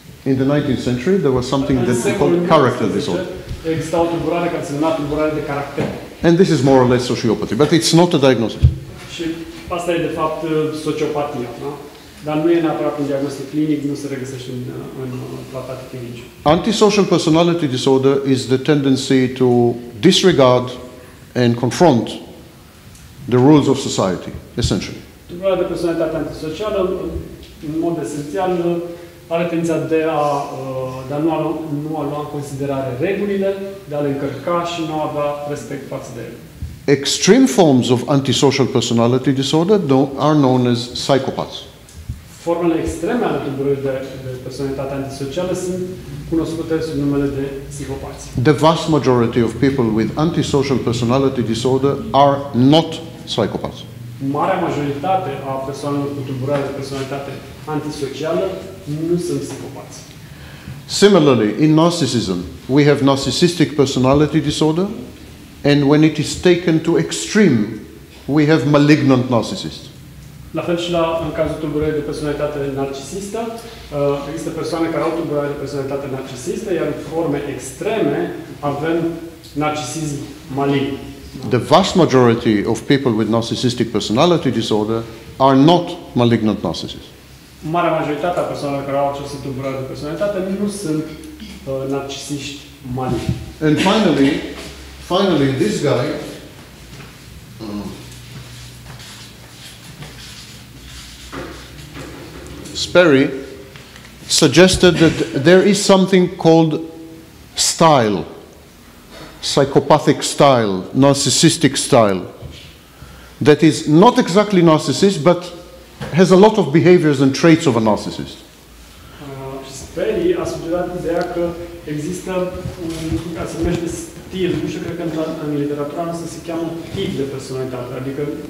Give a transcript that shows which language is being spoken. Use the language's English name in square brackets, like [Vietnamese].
[English] In the 19th century, there was something that they called character disorder. [Romanian] Exista o tulburare care se numea tulburare de caracter. [English] And this is more or less sociopathy, but it's not a diagnosis. [Romanian] Și asta e de fapt sociopatia, da? Dar nu e neapărat un diagnostic clinic, nu se regăsește în tratate clinice. [English] Antisocial personality disorder is the tendency to disregard and confront the rules of society, essentially. [Romanian] Tulburarea de personalitate antisocială, în mod esențial, are tendința de a nu a lua în considerare regulile, de a le încărca și nu a avea respect față de ele. [English] Extreme forms of antisocial personality disorder are known as psychopaths. [Romanian] Formele extreme ale tulburării de personalitate antisocială sunt cunoscute sub numele de psihopați. [English] The vast majority of people with antisocial personality disorder are not psychopaths. [Romanian] Marea majoritate a persoanelor cu tulburare de personalitate antisocială nu sunt psihopați. [English] Similarly, in narcissism, we have narcissistic personality disorder. And when it is taken to extreme, we have malignant narcissists. [Romanian] La fel și la în cazul tulburării de personalitate narcisistă, există persoane care au tulburări de personalitate narcisistă, iar în forme extreme avem narcisism malign. [English] The vast majority of people with narcissistic personality disorder are not malignant narcisists. [Romanian] Marea majoritate a persoanelor care au aceste tulburări de personalitate nu sunt narcisiști malini. [English] And finally, this guy Sperry suggested that there is something called style, psychopathic style, narcissistic style, that is not exactly narcissist, but has a lot of behaviors and traits of a narcissist. [Romanian] Sperry a sugerat ideea că există un, ca se numește stil, nu știu, cred că în literatura noastră se cheamă tip de personalitate, adică